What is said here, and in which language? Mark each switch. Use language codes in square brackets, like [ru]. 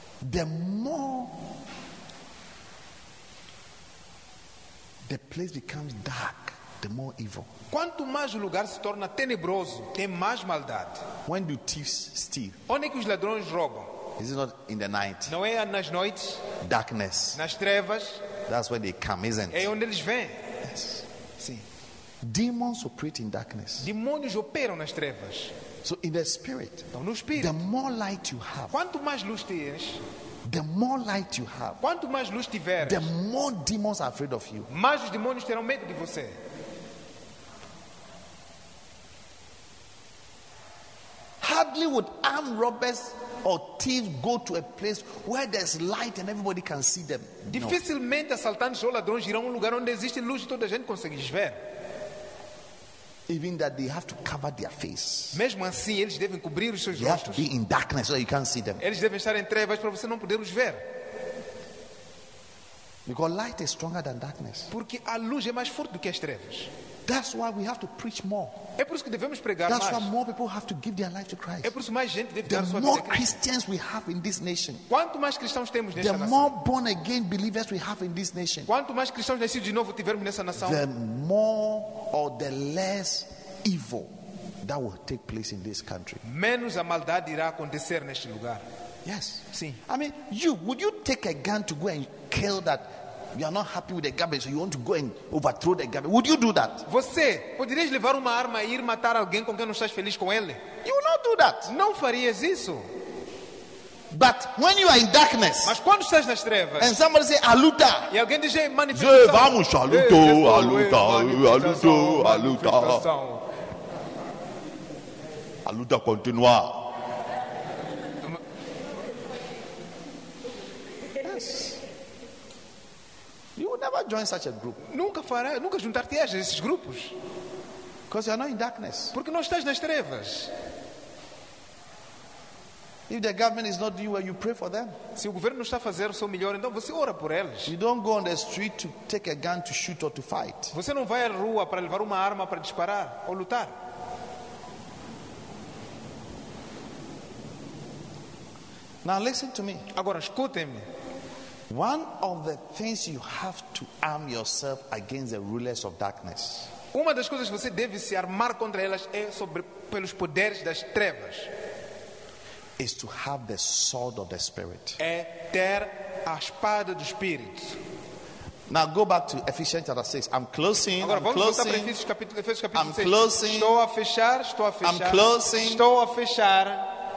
[en] The more the place becomes dark, the more evil. [pt] Quanto mais o lugar se torna tenebroso, tem mais maldade. [en] When do thieves steal? [pt] Onde é que os ladrões roubam? [en] Is it not in the night? [pt] Não é nas noites? [en] Darkness. [pt] Nas trevas. [en] That's where they come, isn't it? [pt] É onde eles vêm. [en] Yes. [pt] Sim. [en] Demons operate in darkness. [pt] Demônios operam nas trevas. [en] So in the spirit, [pt] então, no espírito, [en] the more light you have, [pt] quanto mais luz tens, [en] the more light you have, [pt] quanto mais luz tiveres, [en] the more demons are afraid of you. [pt] Mais os demônios terão medo de você. [en] Hardly would armed robbers or thieves go to a place where there's light and everybody can see them. [pt] Dificilmente assaltantes ou ladrões irão a um lugar onde existe luz e toda a gente consegue ver. [en] Even that they have to cover their face. [pt] Mesmo assim, eles devem cobrir os seus rostos. [en] You have to be in darkness so you can't see them. [pt] Eles devem estar em trevas para você não poder os ver. [en] Because light is stronger than darkness. [pt] Porque a luz é mais forte do que as trevas. [en] That's why we have to preach more. [pt] É por isso que devemos pregar [en] That's [pt] mais. [en] That's why more people have to give their life to Christ. [pt] É por isso mais gente deve [en] the [pt] dar sua vida. [en] The more Christians we have in this nation. [pt] Quanto mais cristãos temos nesta [en] the [pt] nação. [en] The more born again believers we have in this nation. [pt] Quanto mais cristãos nascidos de novo tivermos nessa nação. [en] The more or the less evil that will take place in this country. [pt] Menos a maldade irá acontecer neste lugar. [en] Yes. [pt] Sim. [en] I mean, you would you take a gun to go and kill that? You are not happy with the garbage, so you want to go and overthrow the garbage. Would you do that? [pt] Você poderia levar uma arma e ir matar alguém com quem não estás feliz com ele? [en] You will not do that. [pt] Não farias isso. [en] But when you are in darkness, [pt] mas quando estás nas trevas, [en] and somebody say [pt] a luta, e alguém diz manifestação, vamos a luta, a luta, a luta, a luta, a luta continua. [en] Yes. You will never join such a group. [pt] Nunca fará, nunca juntar-te a esses grupos. [en] Because you are not in darkness. [pt] Porque não estás nas trevas. [en] If the government is not doing well, you pray for them. [pt] Se o governo não está a fazer o seu melhor, então você ora por eles. [en] You don't go on the street to take a gun to shoot or to fight. [pt] Você não vai à rua para levar uma arma para disparar ou lutar. [en] Now listen to me. [pt] Agora escutem-me. [en] One of the things you have to arm yourself against the rulers of darkness. [pt] Uma das coisas que você deve se armar contra elas é sobre pelos poderes das trevas. [en] Is to have the sword of the spirit. [pt] É ter a espada do espírito. [en] Now go back to Ephesians chapter 6. I'm closing. [pt] Agora vamos [en] closing. [pt] Voltar para Efésios capítulo, Efésios capítulo [en] I'm [pt] 6. [en] Closing. [pt] Estou a fechar, estou a fechar. [en] I'm closing. [pt] Estou a fechar.